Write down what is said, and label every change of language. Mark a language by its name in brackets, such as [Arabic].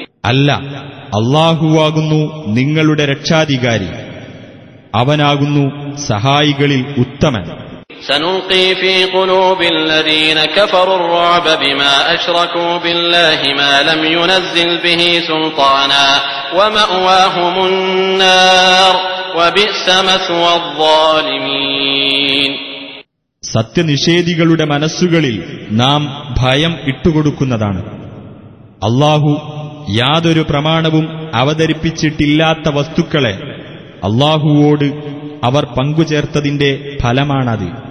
[Malayalam] അല്ല, അല്ലാഹുവാകുന്നു നിങ്ങളുടെ രക്ഷാധികാരി, അവനാകുന്നു സഹായികളിൽ ഉത്തമൻ. [Arabic] سنلقي في قلوب الذين كفروا الرعب بما أشركوا بالله ما لم ينزل به سلطانا ومأواهم النار وبئس مثوى الظالمين [Malayalam] സത്യനിഷേധികളുടെ മനസ്സുകളിൽ നാം ഭയം ഇട്ടുകൊടുക്കുന്നതാണ്. അല്ലാഹു യാതൊരു പ്രമാണവും അവതരിപ്പിച്ചിട്ടില്ലാത്ത വസ്തുക്കളെ അല്ലാഹുവോട് അവർ പങ്കുചേർത്തതിന്റെ ഫലമാണത്.